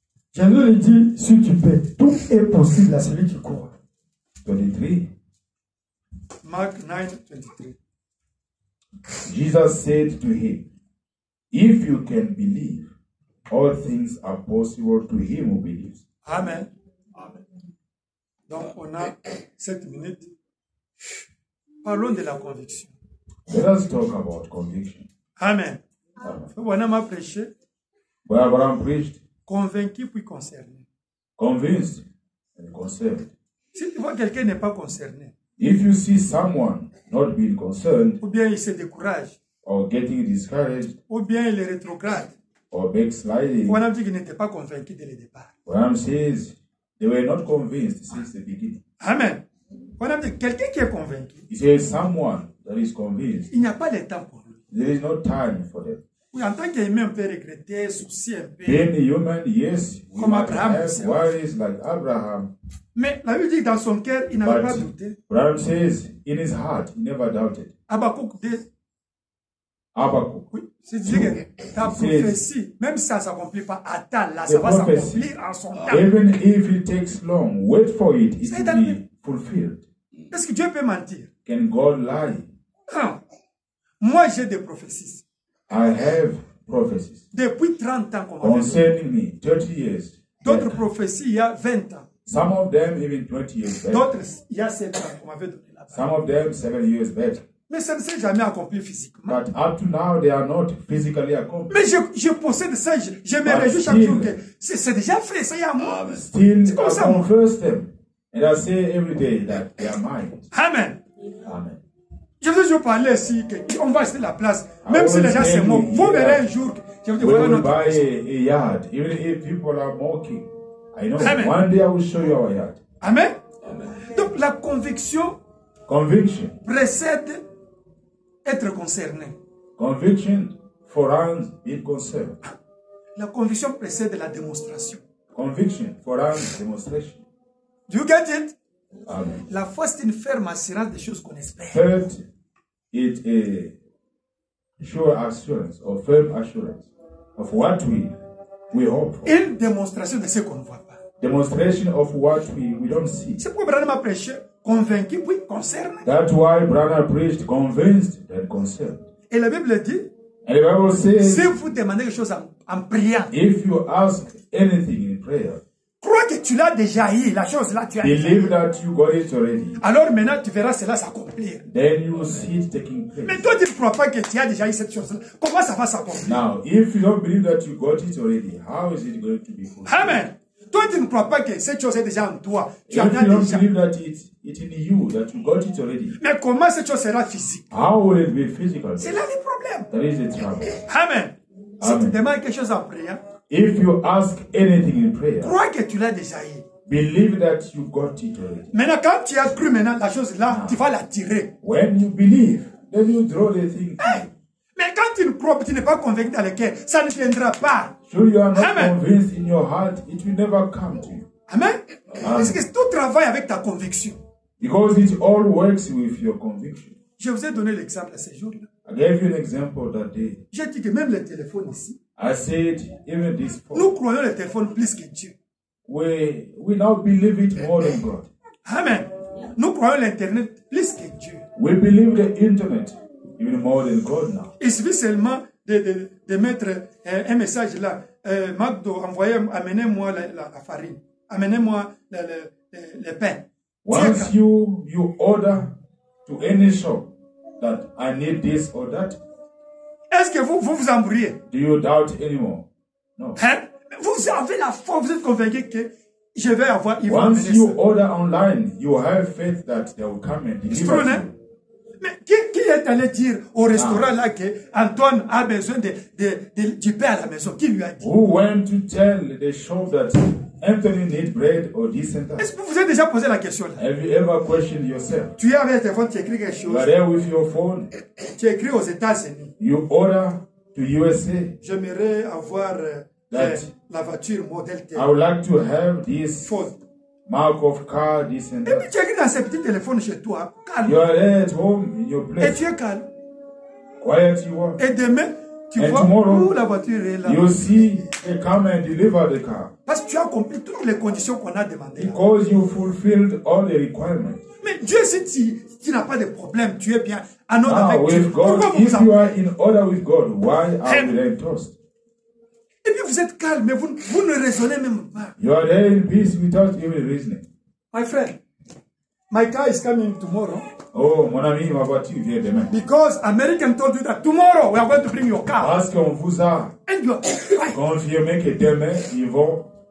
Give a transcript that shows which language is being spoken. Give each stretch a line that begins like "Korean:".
French: Je lui ai dit, si tu peux, tout est possible à celui qui croit. 23.
English: Mark 9:23. Jesus said to him, if you can believe, all things are possible to him who believes.
French: Amen. Amen. Donc, on a 7 minutes. Parlons de la conviction.
English: Let us talk about conviction. Amen. Amen.
French: Abraham a prêché.
English: Where Abraham preached.
French: Convaincu puis concerné.
English: Convinced and concerned.
French: Si tu vois quelqu'un n'est pas concerné.
English: If you see someone not being concerned.
French: Ou bien il se décourage.
English: Or getting discouraged.
French: Ou bien il est rétrograde.
English: Or backsliding.
French: Abraham dit qu'il n'était pas convaincu dès le départ.
English: Abraham says they were not convinced since the beginning.
French: Amen. Abraham dit quelqu'un qui est convaincu.
English: He says someone that is convinced.
French: Il n'y a pas de temps pour lui.
English: There is no time for them.
French: Oui, en tant qu'humain, on peut regretter, soucier un peu.
English: Being human, yes.
French: Comme Abraham.
English: Worries like Abraham.
French: Mais la Bible dit que dans son cœur, il n'avait pas douté.
English: Abraham says, in his heart, he never doubted. Habakkuk 2. Habakkuk.
French: Oui, c'est-à-dire que ta prophétie, même si ça ne s'accomplit pas, attends, là, ça va s'accomplir en son temps.
English: Even if it takes long, wait for it, it will be fulfilled.
French: Est-ce que Dieu peut mentir?
English: Can God lie?
French: Non. Moi, j'ai des prophéties.
English: I have prophecies.
French: Depuis 30 ans qu'on
English: concerning me, 30 years.
French: D'autres prophéties, il y a 20 ans.
English: Some of them even 20 years back.
French: D'autres, il y a 7 ans qu'on m'avait donné là-bas.
English: Some of them 7 years back.
French: Mais ça ne s'est jamais accompli physiquement.
English: But up to now, they are not physically accomplished.
French: Mais je possède ça, je me réjouis chaque jour que c'est déjà fait, ça y est à moi.
English: Still, I confess them. And I say every day that they are mine. Amen. Amen.
French: Je veux toujours parler ici, qu'on va acheter la place, même si les gens se moquent. Vous verrez un jour, je vous dis, voilà notre place.
English: A yard, even if people are mocking, I know, amen. One day I will show you our yard. Amen. Amen.
French: Donc, la conviction,
English: conviction
French: précède être concerné.
English: Conviction forerunns being concerned.
French: La conviction précède la démonstration.
English: Conviction forerunns demonstration. Do you get it? Amen.
French: La foi, c'est une ferme assurance des choses qu'on espère.
English: Faith is a sure assurance or firm assurance of what we hope for.
French: Une démonstration de ce qu'on ne voit pas.
English: Demonstration of what we don't see.
French: C'est pourquoi Branham a prêché, convaincu, puis concerné.
English: That's why Branham preached, convinced, then concerned.
French: Et la Bible dit,
English: and the Bible says,
French: si vous demandez quelque chose en priant,
English: if you ask anything in prayer,
French: crois que tu l'as déjà eu, la chose là tu as.
English: Believe that you got it already.
French: Alors maintenant tu verras cela s'accomplir.
English: Then you will see it taking place.
French: Mais toi tu ne crois pas que tu as déjà eu cette chose là. Comment ça va s'accomplir?
English: Now, if you don't believe that you got it already, how is it going to be fulfilled? Amen.
French: Toi tu ne crois pas que cette chose est déjà en toi. Tu
English: if
French: en
English: you
French: as
English: don't
French: déjà.
English: Believe that it's in you that you got it already.
French: Mais comment cette chose sera physique?
English: How will it be physical?
French: C'est là le problème.
English: That is the trouble.
French: Amen. Si tu demandes quelque chose en prière.
English: If you ask anything in prayer,
French: crois que tu l'as déjà eu.
English: Believe that you got it already.
French: Maintenant, quand tu as cru, maintenant la chose là, tu vas la tirer.
English: When you believe, then you draw the thing.
French: Hey, mais quand tu ne crois pas, tu n'es pas convaincu dans le cœur, ça ne viendra pas.
English: Sure, you are not amen. Convinced in your heart, it will never come to you.
French: Amen. Parce que tout travaille avec ta conviction.
English: Because it all works with your conviction.
French: Je vous ai donné l'exemple à ce jour-là.
English: I gave you an example that day.
French: J'ai dit que même le téléphone ici.
English: I said even this phone.
French: Nous croyons le téléphone plus que Dieu.
English: We now believe it more than God.
French: Amen. Nous croyons l'internet plus que Dieu.
English: We believe the internet even more than God now.
French: Il suffit seulement de mettre un message là. McDo, envoyez, amenez-moi la farine. Amenez-moi le pain.
English: Once you order to any shop that I need this or that.
French: Est-ce que vous embrouillez?
English: Do you doubt anymore? No.
French: Hein? Vous avez la foi, vous êtes convaincu que je vais avoir.
English: Once
French: ministre.
English: You order online, you have faith that they will come and deliver. Strong, hein?
French: Mais qui est allé dire au restaurant là que Antoine a besoin de du pain à la maison? Qui lui a dit?
English: Who went to tell the shop that Anthony need bread or this and that?
French: Est-ce que vous vous êtes déjà posé la question là?
English: Have you ever questioned yourself?
French: Tu es avec ton téléphone, tu écris quelque chose.
English: You are there with your phone.
French: Tu écris aux États-Unis.
English: You order to USA.
French: J'aimerais avoir la voiture modèle T.
English: I would like to have this Ford. Mark of car, this and that.
French: Et puis tu écris dans ce petit téléphone chez toi, calme.
English: You are there at home in your place.
French: Et tu es calme.
English: Quiet you are.
French: Et demain,
English: tomorrow you see a come and deliver the car.
French: Parce que tu as accompli toutes les conditions qu'on a demandé.
English: Because you fulfilled all the requirements.
French: Mais Dieu sait si tu n'as pas de problème, tu es bien en ordre
English: now,
French: avec
English: with
French: Dieu.
English: God, if you are in order with God, why are you then tossed?
French: Et puis vous êtes calme, mais vous ne raisonnez même pas.
English: You are there in peace without even reasoning. My friend, my car is coming tomorrow.
French: Oh, mon ami, ma voiture vient demain.
English: Because American told you that tomorrow we are going to bring your car.
French: Parce qu'on vous a confirmé que demain ils vont.